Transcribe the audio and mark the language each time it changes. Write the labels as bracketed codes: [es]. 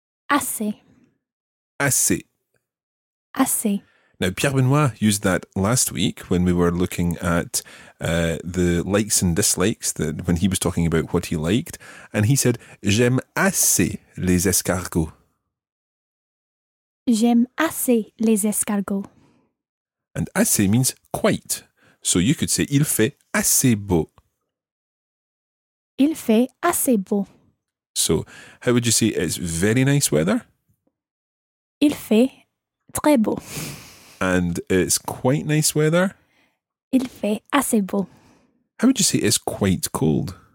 [fr] Assez. Assez. Assez. [en] Now, Pierre Benoit used that last week when we were looking at the likes and dislikes, that when he was talking about what he liked, and he said, [fr] j'aime assez les escargots. J'aime assez les escargots. [en] And assez means quite. So you could say [fr] il fait assez beau. Il fait assez beau. [en] So how would you say it's very nice weather? [fr] Il fait très beau. [en] And it's quite nice weather? [fr] Il fait assez beau. [en] How would you say it's quite cold?